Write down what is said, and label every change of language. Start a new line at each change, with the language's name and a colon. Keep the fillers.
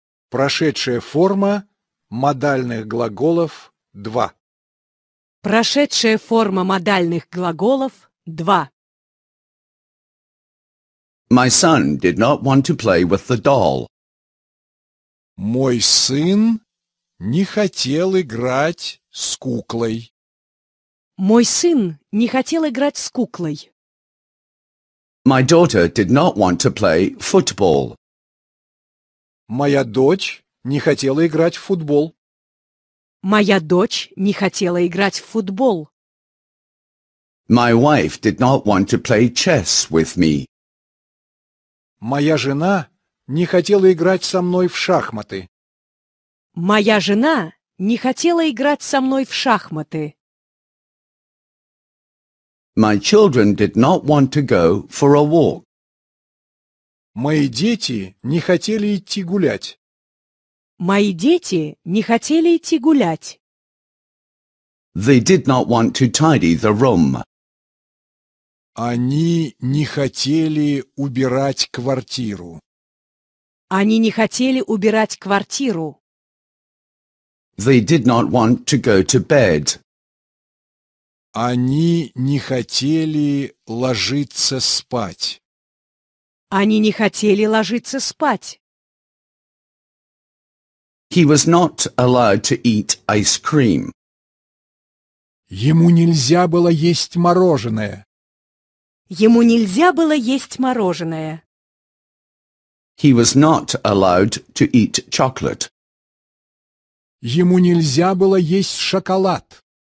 Russian: Прошедшая форма модальных глаголов 2. Прошедшая форма модальных глаголов 2.
English: My son did not want to play with the doll.
Russian: Мой сын не хотел играть с куклой. Мой сын не хотел играть с куклой.
English: My daughter did not want to play football.
Russian: Моя дочь не хотела играть в футбол. Моя дочь не хотела играть в футбол.
English: My wife did not want to play chess with me.
Russian: Моя жена не хотела играть со мной в шахматы. Моя жена не хотела играть со мной в шахматы.
English: My children did not want to go for a walk.
Russian: Мои дети не хотели идти гулять. Мои дети не хотели идти гулять.
English: They did not want to tidy the room.
Russian: Они не хотели убирать квартиру. Они не хотели убирать квартиру.
English: They did not want to go to bed.
Russian: Они не хотели ложиться спать. Они не хотели ложиться спать.
English: He was not allowed to eat ice cream.
Russian: Ему нельзя было есть мороженое. Ему нельзя было есть мороженое.
English: He was not allowed to eat chocolate.
Russian: Ему нельзя было есть шоколад.